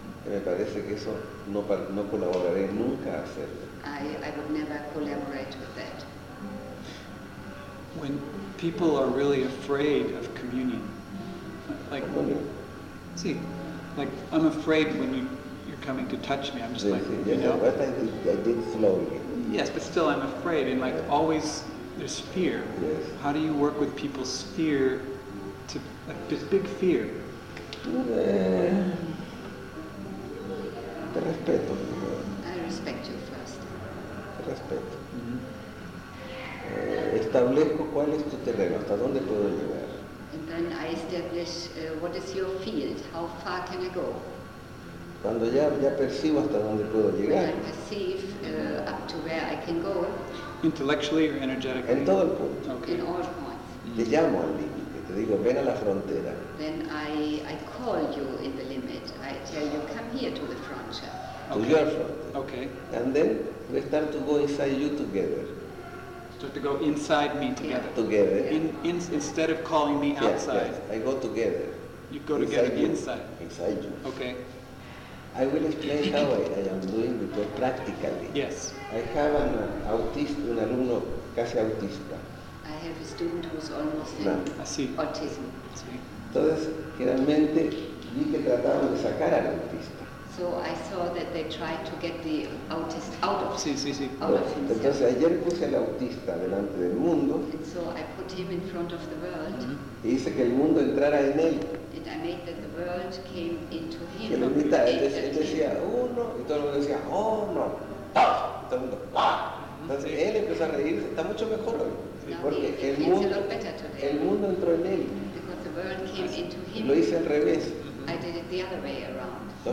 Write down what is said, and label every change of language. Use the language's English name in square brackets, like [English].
[Spanish] Me parece que eso no colaboraré nunca a hacerlo. [English] I would never collaborate with that. When people are really afraid of communion, like when, sí. Like, I'm afraid when you're coming to touch me, I'm just I did slowly. Yes, but still I'm afraid, and like, always there's fear. Yes. How do you work with people's fear, to like, this big fear? [Spanish] Te respeto. [English] I respect you first. [Spanish] Te respeto. Establezco cuál es tu terreno, hasta dónde puedo llegar. [English] And I establish what is your field, how far can I go? [Spanish] Cuando ya percibo hasta dónde puedo llegar. [English] When I perceive up to where I can go. Intellectually or energetically? [Spanish] En todo el punto. [English] Okay. In all points. [Spanish] Te llamo al límite, te digo, ven a la frontera. [English] Then I call you in the limit, I tell you, come here to the frontier. To your frontier. Okay. And then we start to go inside you together. Just to go inside me together. Yeah. Together. Yeah. Instead of calling me outside. Yes, I go together. You go together inside. Inside you. Okay. I will explain how I am doing because practically. Yes. I have an autist, [Spanish] un alumno casi autista. [English] I have a student who is almost autism. [Spanish] Sí. Entonces, generalmente, vi que trataban de sacar al autista. [English] So I saw that they tried to get the autist out of him. Sí. [Spanish] Entonces ayer puse al autista delante del mundo. [English] And so I put him in front of the world. [Spanish] Y hice que el mundo entrara en él. [English] And I made that the world came into him. [Spanish] Y la mitad, él decía uno, y todo el mundo decía, oh no, ¡pah! Y todo el mundo, ¡pah! Entonces él empezó a reírse, está mucho mejor hoy. Porque el mundo entró en él. [English] Because the world came into him. [Spanish] Lo hice al revés. [English] I did it the other way around.